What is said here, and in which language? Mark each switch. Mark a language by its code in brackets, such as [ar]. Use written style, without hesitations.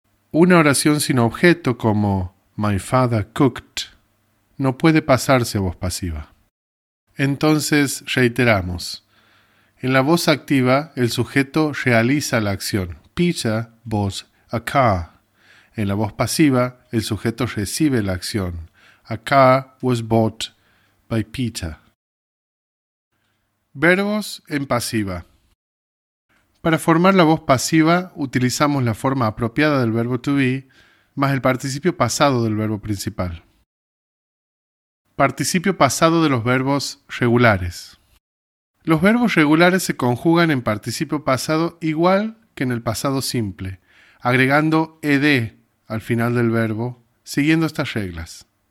[es] Una oración sin objeto como [en] my father cooked [es] no puede pasarse a voz pasiva. Entonces, reiteramos. En la voz activa, el sujeto realiza la acción. [en] Peter bought a car. [es] En la voz pasiva, el sujeto recibe la acción. [en] A car was bought by Peter. [es] Verbos en pasiva. Para formar la voz pasiva, utilizamos la forma apropiada del verbo to be más el participio pasado del verbo principal. Participio pasado de los verbos regulares. Los verbos regulares se conjugan en participio pasado igual que en el pasado simple, agregando ed al final del verbo, siguiendo estas reglas.